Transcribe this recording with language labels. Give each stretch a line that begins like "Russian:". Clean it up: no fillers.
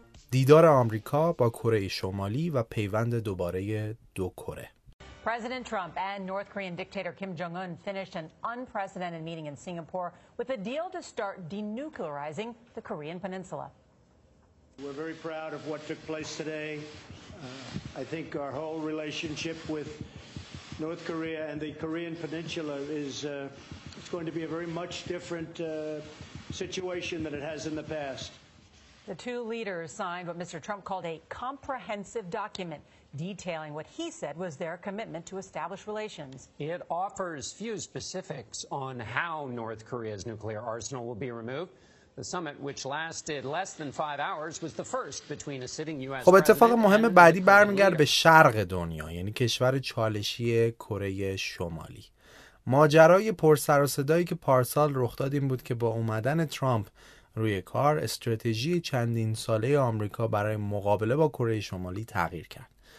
Persian: دیدار آمریکا با کره شمالی و پیوند دوباره دو کره.
English: President Trump and North Korean dictator Kim Jong-un finished an unprecedented meeting in Singapore with a deal to start denuclearizing the Korean Peninsula. We're very proud of what took place today. I think our whole relationship with North Korea and the Korean Peninsula is it's going to be a very much different situation than it has in the past. The two leaders signed what Mr. Trump called a comprehensive document detailing what he said was their commitment to establish relations. It offers few specifics on how North Korea's nuclear arsenal will be removed. The summit, which lasted less than 5 hours, was the first between a sitting U.S.
Persian: خب اتفاق مهم بعدی برمیگرد به شرق دنیا، یعنی کشور چالشی کره شمالی. ماجرای پرسر و صدایی که پارسال رخ داد این بود که با اومدن ترامپ روی کار، استراتژی چندین ساله آمریکا برای مقابله با کره شمالی تغییر کرد.